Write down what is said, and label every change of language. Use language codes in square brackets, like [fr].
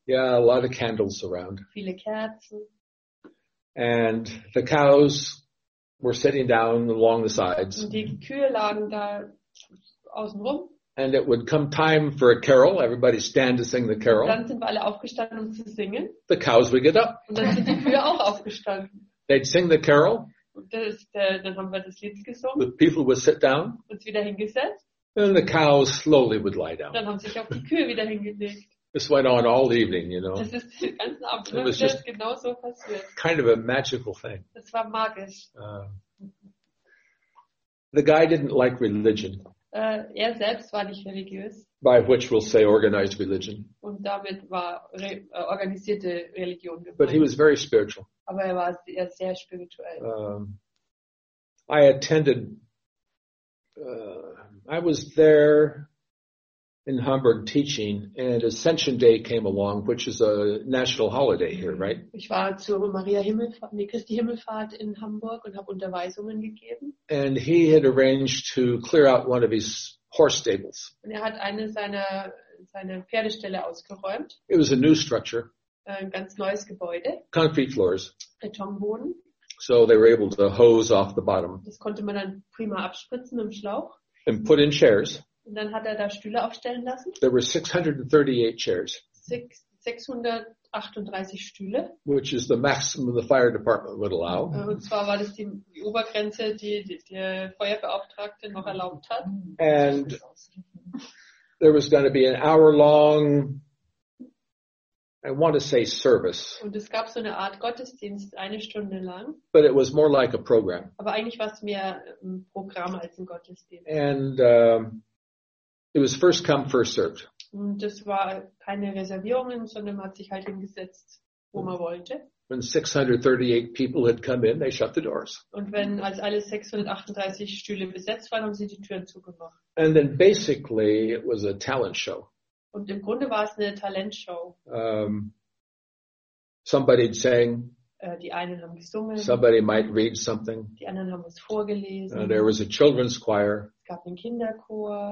[en] Yeah, a lot of candles around. [de] Viele Kerzen. [en] And the cows were sitting down along the sides. [de] Und die Kühe lagen da außen rum. [en] And it would come time for a carol. Everybody stand to sing the carol. [de] Und dann sind wir alle aufgestanden, um zu singen. [en] The cows would get up. [de] Und dann sind die Kühe auch aufgestanden. [en] They'd sing the carol. [de] Und dann haben wir das Lied gesungen. [en] The people would sit down. [de] Uns wieder hingesetzt. [en] And the cows slowly would lie down. [de] Dann haben sich auch die Kühe wieder hingelegt. [en] This went on all evening, you know. [de] Das ist den ganzen Abend. Das ist genau so passiert. [en] Kind of a magical thing. [de] Das war magisch. [en] The guy didn't like religion. [de] Er selbst war nicht religiös. [en] By which we'll say organized religion. [de] Und damit war organisierte Religion gemeint. [en] But he was very spiritual. [de] Aber er war sehr, sehr spirituell. [en] I attended, I was there in Hamburg teaching, and Ascension Day came along, which is a national holiday here, right? [de] Ich war zur Maria Himmelfahrt, nee, Christi Himmelfahrt in Hamburg und habe Unterweisungen gegeben. [en] And he had arranged to clear out one of his horse stables. [de] Und er hat eine seiner Pferdeställe ausgeräumt. [en] It was a new structure. [de] Ein ganz neues Gebäude. [en] Concrete floors. [de] Betonboden. [en] So they were able to hose off the bottom. [de] Das konnte man dann prima abspritzen im Schlauch. [en] And put in chairs. [de] Und dann hat er da Stühle aufstellen lassen. [en] There were 638 chairs. [de] 638 Stühle. [en] Which is the maximum the fire department would allow. [de] Und zwar war das die Obergrenze, die Feuerbeauftragte noch erlaubt hat. [en] And there was going to be an hour long, I want to say, service. [de] Und es gab so eine Art Gottesdienst, eine Stunde lang. [en] But it was more like a program. [de] Aber eigentlich war es mehr ein Programm als ein Gottesdienst. [en] And it was first come, first served. [de] Und das war keine Reservierungen, sondern man hat sich halt hingesetzt, wo man wollte. [en] When 638 people had come in, they shut the doors. [de] Und wenn als alle 638 Stühle besetzt waren, haben sie die Türen zugemacht. [en] And then basically it was a talent show. [de] Und im Grunde war es eine Talentshow. [en] Somebody sang. [de] Die einen haben gesungen. [en] Somebody might read something. [de] Die anderen haben es vorgelesen. [en] There was a children's choir. [de] Es gab einen Kinderchor.